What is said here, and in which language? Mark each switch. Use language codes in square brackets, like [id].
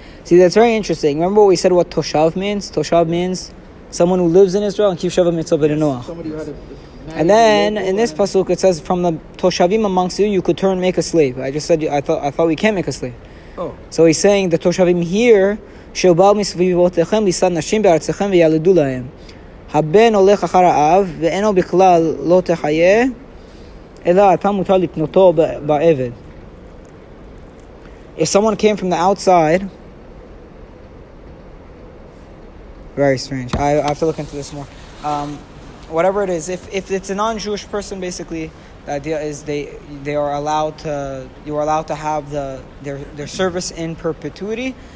[en] See, that's very interesting. Remember what we said, what Toshav means? Toshav means someone who lives in Israel and keeps Shavah Mitzvah Ben Noah. And then in this pasuk it says, from the Toshavim amongst you, you could turn and make a slave. I just said, I thought we can't make a slave. Oh. So he's saying the Toshavim here [he] שבאו מסביבותיכם לשד נשים בארציכם וילדו להם. הבן הולך אחר האב, ואינו בכלל לא תחיה, אלא אתה מותר לקנותו בעבד. [en] If someone came from the outside, very strange. I have to look into this more. Whatever it is, if it's a non-Jewish person, basically, the idea is they are allowed to, you are allowed to have their service in perpetuity.